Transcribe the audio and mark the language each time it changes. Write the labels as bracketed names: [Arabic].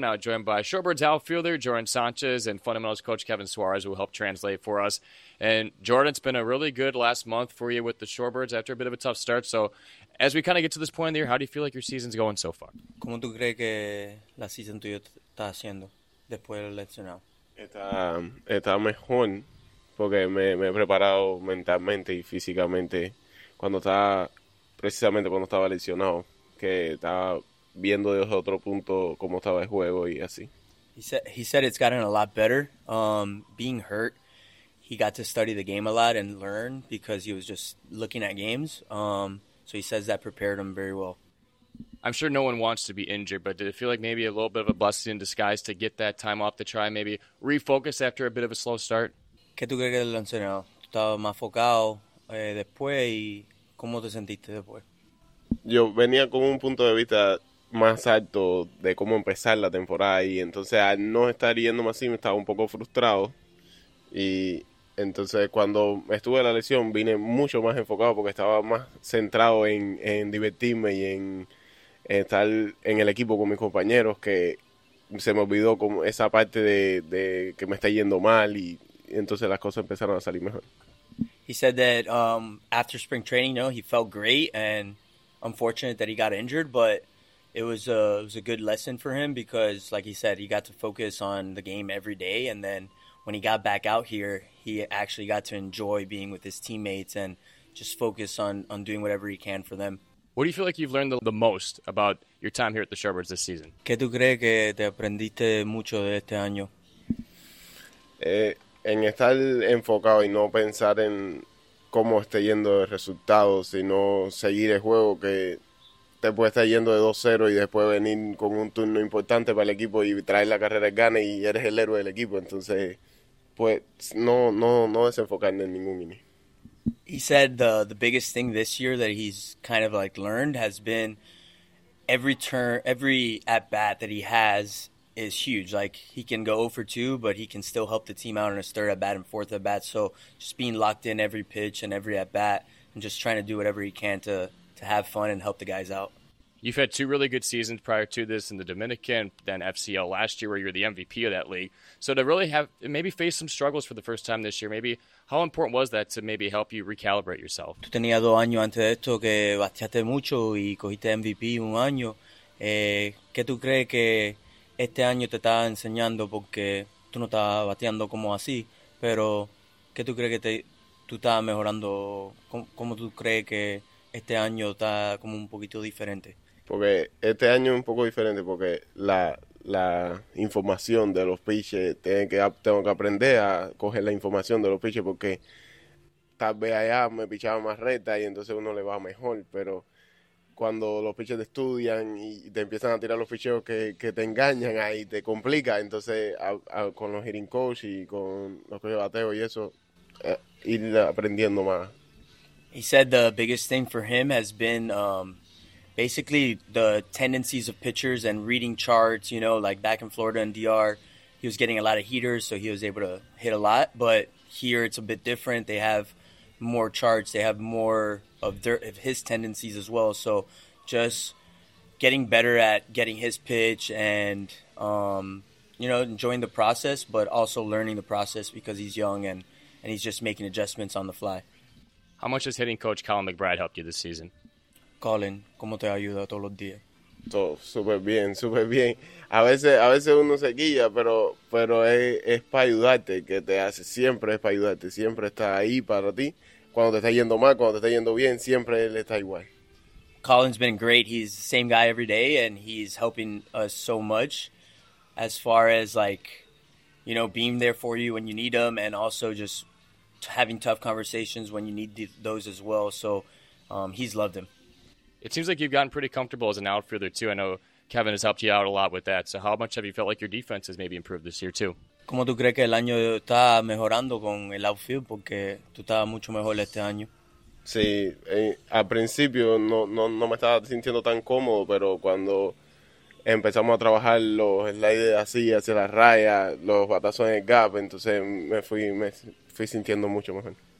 [English] Now joined by Shorebirds outfielder Jordan Sanchez and Fundamentals coach Kevin Suarez, who will help translate for us. And Jordan, it's been a really good last month for you with the Shorebirds after a bit of a tough start. So as we kind of get to this point in the year, how do you feel like your season's going so far? [Spanish] ¿Cómo tú crees que la season tuya está haciendo después del lesionado? Está mejor porque me he preparado mentalmente y físicamente precisamente cuando estaba lesionado, que estaba viendo desde otro punto cómo estaba el juego y así. [English] He said it's gotten a lot better. Being hurt, he got to study the game a lot and learn because he was just looking at games. So he says that prepared him very well. I'm sure no one wants to be injured, but did it feel like maybe a little bit of a blessing in disguise to get that time off to try and maybe refocus after a bit of a slow start? [Spanish] ¿Qué tú crees del entrenador? ¿Estaba más enfocado después y cómo te sentiste después? Yo venía con un punto de vista más alto de cómo empezar la temporada y entonces al no estar yéndome así me estaba un poco frustrado y entonces cuando estuve la lesión vine mucho más enfocado porque estaba más centrado en divertirme y en estar en el equipo con mis compañeros, que se me olvidó como esa parte de que me está yendo mal y entonces las cosas empezaron a salir mejor. [English] He said that after spring training, no, he felt great and unfortunate that he got injured, but it was a good lesson for him because, like he said, he got to focus on the game every day. And then when he got back out here, he actually got to enjoy being with his teammates and just focus on doing whatever he can for them. What do you feel like you've learned the most about your time here at the Shorebirds this season? [Spanish] ¿Qué tú crees que te aprendiste mucho de este año? En estar enfocado y no pensar en cómo esté yendo el resultado, sino seguir el juego, que te puede estar yendo de 2-0 y después venir con un turno importante para el equipo y traer la carrera de gane y eres el héroe del equipo. Entonces, pues no desenfocarme en ningún mini. [English] He said the biggest thing this year that he's kind of like learned has been every turn, every at bat that he has is huge. Like, he can go 0-2, but he can still help the team out in his third at bat and fourth at bat. So just being locked in every pitch and every at bat and just trying to do whatever he can to have fun and help the guys out. You've had two really good seasons prior to this in the Dominican, then FCL last year, where you're the MVP of that league. So to really have maybe face some struggles for the first time this year, maybe how important was that to maybe help you recalibrate yourself? [Spanish] Tú tenías 2 años antes de esto que bateaste mucho y cogiste MVP un año. ¿Qué tú crees que este año te estaba enseñando porque tú no estabas bateando como así? Pero ¿qué tú crees que tú estabas mejorando? ¿Cómo tú crees que este año está como un poquito diferente? Porque este año es un poco diferente porque la información de los pitches, tengo que aprender a coger la información de los pitches, porque tal vez allá me pichaba más recta y entonces uno le va mejor, pero cuando los pitchers te estudian y te empiezan a tirar los picheos que te engañan, ahí te complica. Entonces con los hitting coach y con los coaches de bateo y eso, ir aprendiendo más. [English] He said the biggest thing for him has been basically the tendencies of pitchers and reading charts, you know, like back in Florida and DR, he was getting a lot of heaters, so he was able to hit a lot. But here it's a bit different. They have more charts. They have more of his tendencies as well. So just getting better at getting his pitch and, you know, enjoying the process, but also learning the process because he's young and he's just making adjustments on the fly. How much has hitting coach Colin McBride helped you this season? [Spanish] Colin, ¿cómo te ayuda todos los días? Todo súper bien, súper bien. A veces uno se guía, pero es para ayudarte, que te hace. Siempre es para ayudarte, siempre está ahí para ti. Cuando te está yendo mal, cuando te está yendo bien, siempre él está igual. [English] Colin's been great. He's the same guy every day, and he's helping us so much as far as, like, you know, being there for you when you need him and also just having tough conversations when you need those as well. So he's loved him. It seems like you've gotten pretty comfortable as an outfielder too. I know Kevin has helped you out a lot with that. So how much have you felt like your defense has maybe improved this year too? [Spanish] ¿Cómo tú crees que el año está mejorando con el outfield? Porque tú estabas mucho mejor este año. Sí, al principio no me estaba sintiendo tan cómodo, pero cuando empezamos a trabajar los sliders así hacia la raya, los batazos en el gap, entonces me fui sintiendo mucho mejor.